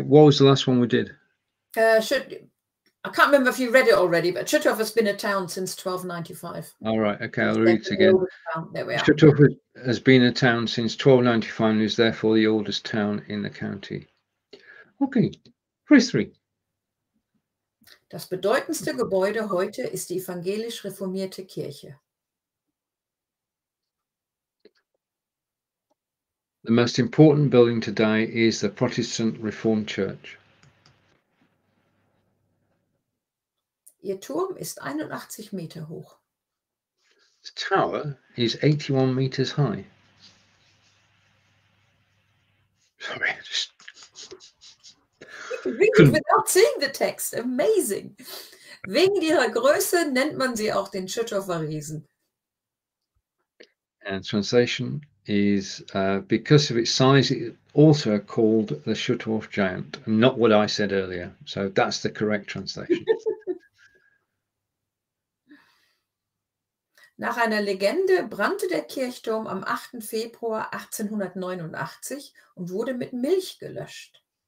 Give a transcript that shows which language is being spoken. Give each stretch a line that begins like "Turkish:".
English: What was the last one we did? I can't remember if you read it already, but Schüttorf has been a town since 1295. All right, okay, I'll read it again. Schüttorf has been a town since 1295 and is therefore the oldest town in the county. Okay, phrase three.
German: Das bedeutendste Gebäude heute ist die evangelisch-reformierte Kirche.
English: The most important building today is the Protestant Reformed Church.
German: Ihr Turm ist 81 Meter hoch.
English: The tower is 81 meters high. Sorry, you can read it without seeing the text. Amazing.
German: Wegen ihrer Größe nennt man sie auch den Schüttorfer Riesen.
English: And translation is because of its size, it also called the Schüttorf Giant. Not what I said earlier. So that's the correct translation.
German: Nach einer Legende brannte der Kirchturm am 8. Februar 1889 und wurde mit Milch gelöscht.